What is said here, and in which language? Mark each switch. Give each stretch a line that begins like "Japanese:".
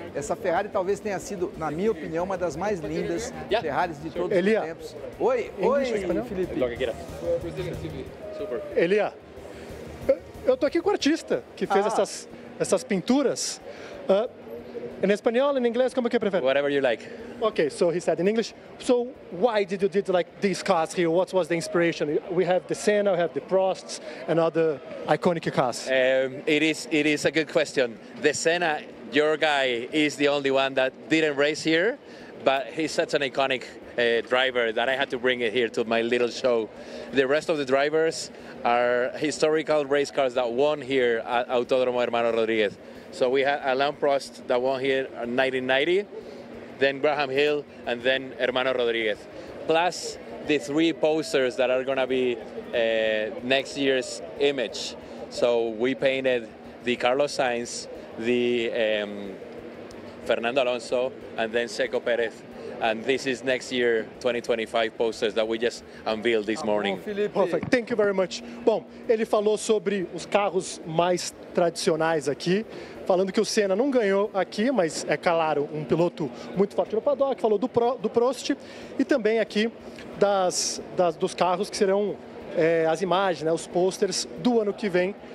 Portuguese: Essa Ferrari talvez tenha sido, na minha opinião, uma das mais lindas Ferraris de todos Elia. Os tempos. Oi, Felipe. Elia, eu tô aqui com o artista que fez essas pinturas. Em espanhol, em inglês, como que prefere?
English: Whatever you like. Okay, so he said in English. So why did you did like these cars here? What was the inspiration? We have the Senna, we have the Prosts, and other iconic cars. It is a good question. The Senna, your guy, is the only one that didn't race here, but he's such an iconic driver that I had to bring it here to my little show. The rest of the drivers are historical race cars that won here at Autódromo Hermano Rodríguez. So we had Alain Prost that won here in 1990, then Graham Hill, and then Hermano Rodríguez. Plus the three posters that are going to be next year's image. So we painted the Carlos Sainz, the Fernando Alonso, and then Checo Pérez. And this is next year, 2025 posters that we just unveiled this morning. Perfect. Thank you very much.
Portuguese: Bom, ele falou sobre os carros mais tradicionais aqui, falando que o Senna não ganhou aqui, mas é claro, um piloto muito forte no paddock, falou do Prost, e também aqui dos carros que serão as imagens, né, os posters do ano que vem.